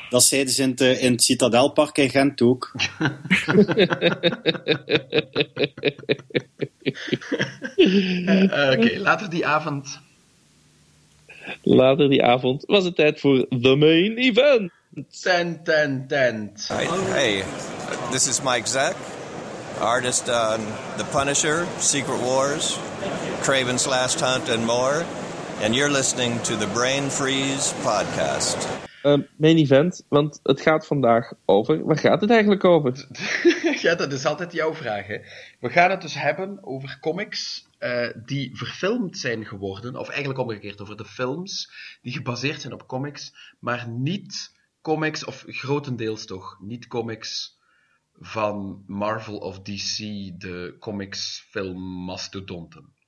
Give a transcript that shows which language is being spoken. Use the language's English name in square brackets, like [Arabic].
[Dutch] Dat zeiden ze in het Citadelpark in Gent ook. Oké, later die avond. Later die avond was het tijd voor [English] the main event. [Dutch] Tent. [English] Hey, this is Mike Zeck, artist on The Punisher, Secret Wars, Kraven's Last Hunt and more. And you're listening to the Brain Freeze podcast. [Dutch] Main event, want het gaat vandaag over... Waar gaat het eigenlijk over? Ja, dat is altijd jouw vraag, hè. We gaan het dus hebben over comics die verfilmd zijn geworden. Of eigenlijk omgekeerd, over de films die gebaseerd zijn op comics. Maar niet comics, of grotendeels toch, niet comics van Marvel of DC, de comics film mastodonten.